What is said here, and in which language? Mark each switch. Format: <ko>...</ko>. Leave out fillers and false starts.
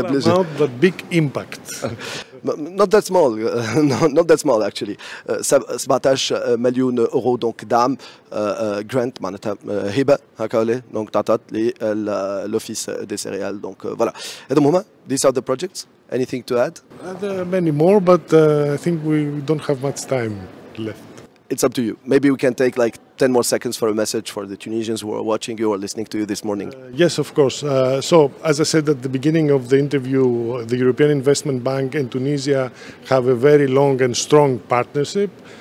<en>بلجي the big impact Not that small, not that small actually.</en> <ar>17 مليون يورو دونك دعم grant معناتها هبه هكا ولا دونك تعطات للأوفيس دي سيريال دونك فوالا هذا مهم.</ar> <en>These are the projects. Anything to add? There are many more, but I think we don't have much time left. It's up to you. Maybe we can take like 10 more seconds for a message for the Tunisians who are watching you or listening to you this morning. Yes, of course. So, as I said at the beginning of the interview, the European Investment Bank and Tunisia have a very long and strong partnership.</en>